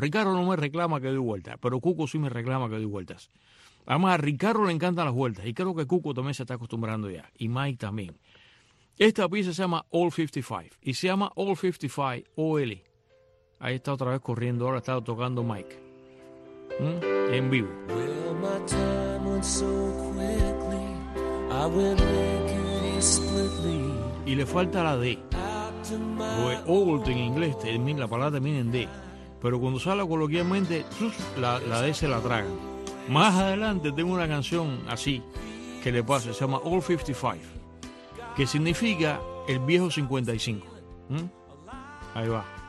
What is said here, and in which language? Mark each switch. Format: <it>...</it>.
<es>Ricardo no me reclama que doy vueltas, pero Cuco sí me reclama que doy vueltas. Además, a Ricardo le encantan las vueltas, y creo que Cuco también se está acostumbrando ya, y Mike también. Esta pieza se llama All 55, y se llama All 55, O-L. Ahí está otra vez corriendo, ahora está tocando Mike, en vivo.</es> <en>Well, my time went so quickly, I went lickety splitly.</en> <es>Y le falta la D, porque old en inglés, la palabra termina en D, pero cuando sale coloquialmente, la D se la traga. Más adelante tengo una canción así que le pasa, se llama All 55, que significa el viejo 55. Ahí va.</es>